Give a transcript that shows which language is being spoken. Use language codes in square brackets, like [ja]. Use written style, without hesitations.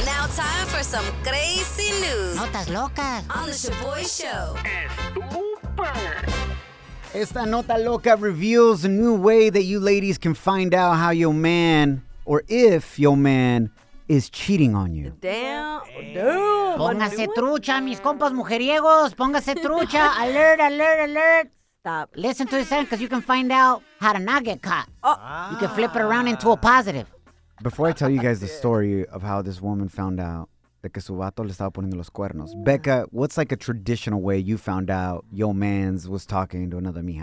[en] Now time for some crazy news. [es] Notas locas. [en] On the Sha'Boy Show. Esta nota loca reveals a new way that you ladies can find out how your man, or if your man, is cheating on you. Damn. [es] Póngase trucha, mis compas mujeriegos. [en] Póngase trucha. Alert, alert, alert. Stop. Listen to this end, because you can find out how to not get caught. Oh. You can flip it around into a positive. Before I tell you guys the story of how this woman found out que su vato le estaba poniendo los cuernos. Becca, what's like a traditional way you found out your mans was talking to another mija?